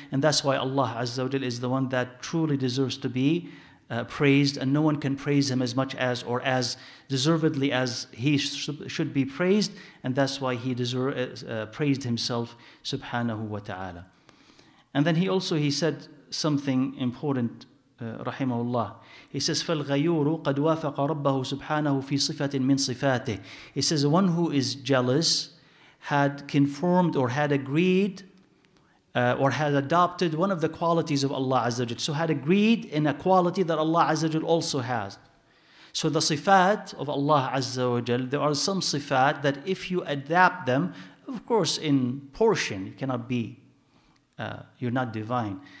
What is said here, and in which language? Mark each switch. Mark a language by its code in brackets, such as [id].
[en] And that's why Allah Azza wa Jal is the one that truly deserves to be praised. And no one can praise him as much as or as deservedly as he should be praised. And that's why he praised himself, subhanahu wa ta'ala. And then he said something important. Rahimahullah. He says, [ar] فَالْغَيُورُ قَدْ وَافَقَ رَبَّهُ سُبْحَانَهُ فِي صِفَةٍ مِّن صِفَاتِهِ. [en] He says, one who is jealous had conformed or had agreed or had adopted one of the qualities of Allah Azza wa Jal. So had agreed in a quality that Allah Azza wa Jal also has. So the sifat of Allah Azza wa Jal, there are some sifat that if you adapt them, of course in portion, you cannot be, you're not divine.